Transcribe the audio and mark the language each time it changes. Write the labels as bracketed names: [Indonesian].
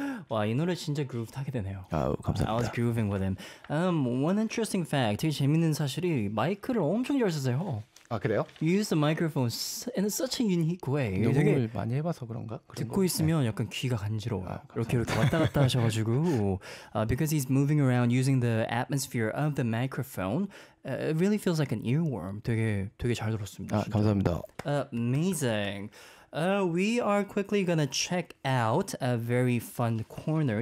[Korean] 와, 이 노래 진짜 그룹 타게 되네요. 아, 감사합니다. [English] I was grooving with him. One interesting fact. [Korean] 되게 재밌는 사실이 마이크를 엄청 잘 쓰세요. 아, 그래요? [English] You use the microphone in such a unique way. [Korean] 녹음을 많이 해봐서 그런가? 그런 듣고 거? 있으면 네. 약간 귀가 간지러워요. 아, 이렇게 이렇게 왔다 갔다 하셔가지고 [English] because he's moving around using the atmosphere of the microphone, it really feels like an earworm. [Korean] 되게 잘 들었습니다. 아, 감사합니다. [English] Amazing. We are quickly gonna check out a very fun corner.